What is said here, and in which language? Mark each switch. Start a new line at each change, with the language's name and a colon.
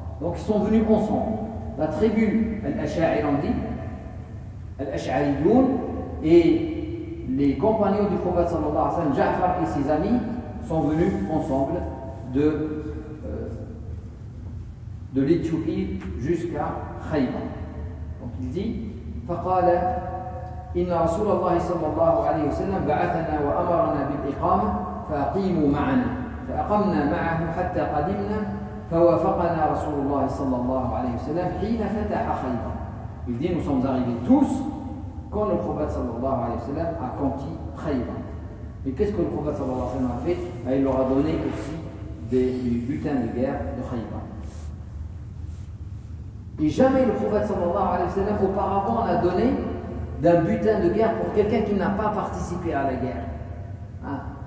French: Donc ils sont venus ensemble. La tribu Al-Ash'ariyoun et les compagnons du prophète sallallahu alayhi wa sallam, Ja'far et ses amis, sont venus ensemble de l'Éthiopie jusqu'à Khayba. Donc il dit:
Arabic: فقال إن رسول الله صلى الله عليه وسلم بعثنا وأمرنا بالإقامة فأقيموا معنا فأقمنا معه حتى قدمنا فوافقنا رسول الله صلى الله عليه وسلم حين فتح خيبر.
French: Il dit: nous sommes arrivés tous quand le prophète صلى الله عليه وسلم a conquis Khayba. Mais qu'est-ce que le prophète صلى الله عليه وسلم a fait? Il leur a donné aussi des butins de guerre de Khayba. Et jamais le prophète sallallahu alayhi wa sallam auparavant n'a donné d'un butin de guerre pour quelqu'un qui n'a pas participé à la guerre. Hein?